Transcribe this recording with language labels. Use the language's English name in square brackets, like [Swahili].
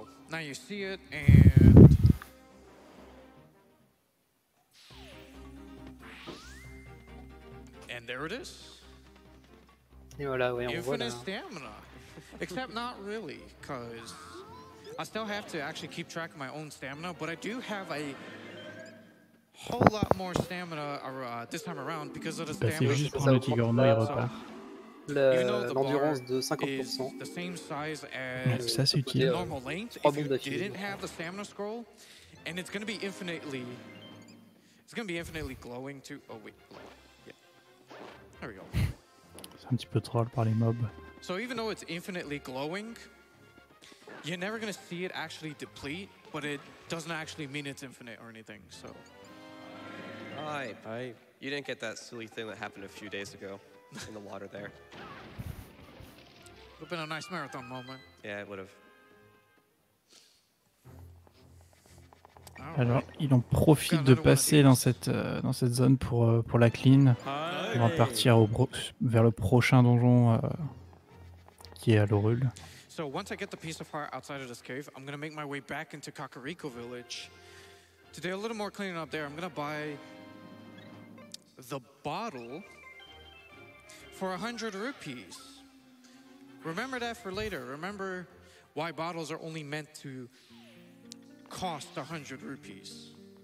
[English] Now you see it, and there it is. [French] Et voilà, ouais, [English] infinite [French] voilà. [English] Stamina. Except not really, because I still have to actually keep track of my own stamina, but I do have a whole lot more stamina this time around because of the stamina. [French] C'est juste prendre le tigre en main et repart. L'endurance de 50%. Donc ça c'est utile. C'est un petit peu troll par les mobs. [English] So even though it's infinitely glowing, you're never gonna see it actually deplete, but it doesn't actually mean it's infinite or anything. So. Hi. You didn't get that silly thing that happened a few days ago. In the water there. Would have been a nice marathon moment. Yeah, it would have. [French] Alors, il en profite de passer dans cette zone pour la clean. Hey. On va partir vers le prochain donjon qui est à l'Orul. [English] So once I get the piece of heart outside of this cave, I'm gonna make my way back into Kakariko Village. To do a little more cleaning up there, I'm gonna buy the bottle. For 100 rupees. Remember that for later. Remember why bottles are only meant to cost 100 rupees.